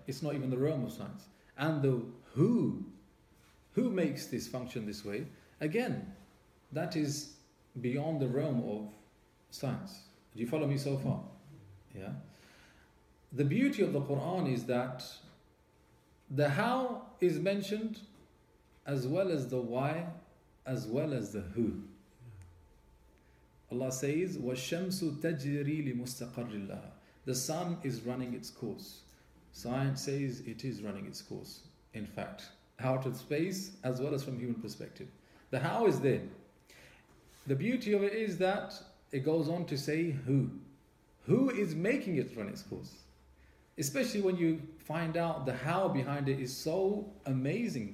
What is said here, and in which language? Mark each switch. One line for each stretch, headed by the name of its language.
English: It's not even the realm of science. And the who makes this function this way, again, that is beyond the realm of science. Do you follow me so far? Yeah? The beauty of the Quran is that the how is mentioned as well as the why, as well as the who. Allah says,
Arabic: وَالشَّمْسُ تَجْرِي لِمُسْتَقَرِّ اللَّهِ.
English: The sun is running its course. Science says it is running its course, in fact. Out of space, as well as from human perspective. The how is there. The beauty of it is that it goes on to say who. Who is making it run its course? Especially when you find out the how behind it is so amazing.